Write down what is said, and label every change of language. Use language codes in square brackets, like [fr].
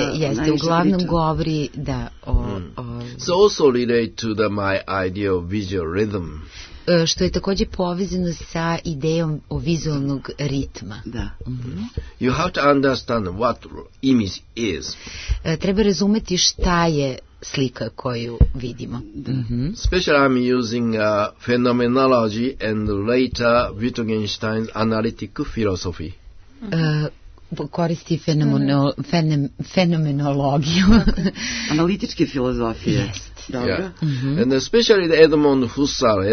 [sr] Jeste, uglavnom priča. Govori da o, [en] So also relate to the my idea of visual rhythm. [sr] Što je takođe povezano sa idejom o vizualnog ritma. Da. Mm-hmm. [en] You have to understand what image is. [sr] Treba razumeti šta je slika koju vidimo. Mm-hmm. [en] Especially I'm using phenomenology and later Wittgenstein's analytic philosophy. [sr] Koristi fenomenologiju. Analitičke filozofije. [en] Yes. Dobro. Yeah. Mm-hmm. And especially Edmund Husserl.